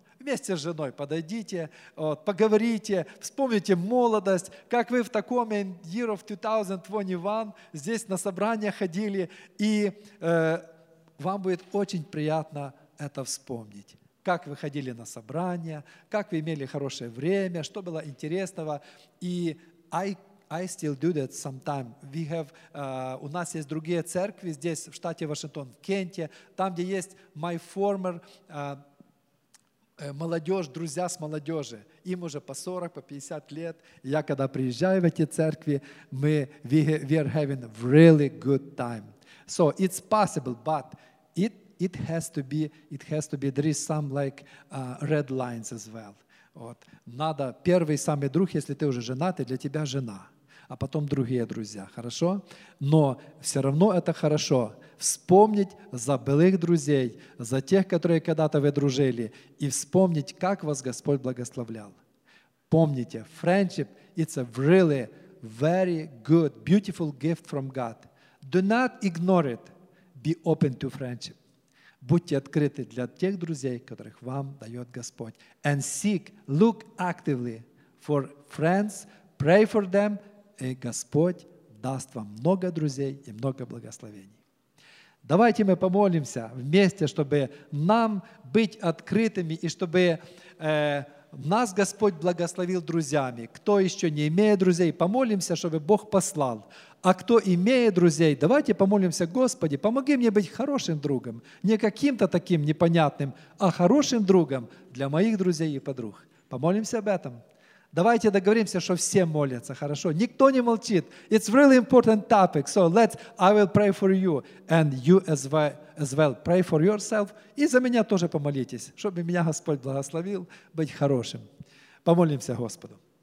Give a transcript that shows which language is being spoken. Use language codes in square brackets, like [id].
[ru] Вместе с женой подойдите, вот, поговорите, вспомните молодость, как вы в таком [en] year of 2021 [ru] здесь на собрание ходили, и вам будет очень приятно это вспомнить. Как вы ходили на собрания, как вы имели хорошее время, что было интересного. И [en] I still do that sometimes. We have, [ru] у нас есть другие церкви здесь, в штате Вашингтон, в Кенте, там, где есть [en] my former [ru] молодежь, друзья с молодежи. Им уже по 40, по 50 лет. Я когда приезжаю в эти церкви, [en] we are having a really good time. So it's possible, but it has to be, there is some like red lines as well. [ru] Вот. Надо первый самый друг, если ты уже женатый, для тебя жена, а потом другие друзья, хорошо? Но все равно это хорошо вспомнить за былых друзей, за тех, которые когда-то вы дружили, и вспомнить, как вас Господь благословлял. Помните, [en] friendship, it's a really very good, beautiful gift from God. Do not ignore it. Be open to friendship. [ru] Будьте открыты для тех друзей, которых вам дает Господь. [en] And seek, look actively for friends, pray for them, [ru] и Господь даст вам много друзей и много благословений. Давайте мы помолимся вместе, чтобы нам быть открытыми и чтобы нас Господь благословил друзьями. Кто еще не имеет друзей, помолимся, чтобы Бог послал. А кто имеет друзей, давайте помолимся, Господи, помоги мне быть хорошим другом, не каким-то таким непонятным, а хорошим другом для моих друзей и подруг. Помолимся об этом. Давайте договоримся, что все молятся, хорошо? Никто не молчит. [en] It's really important topic. So let's, I will pray for you and you as well. Pray for yourself. [ru] И за меня тоже помолитесь, чтобы меня Господь благословил быть хорошим. Помолимся Господу.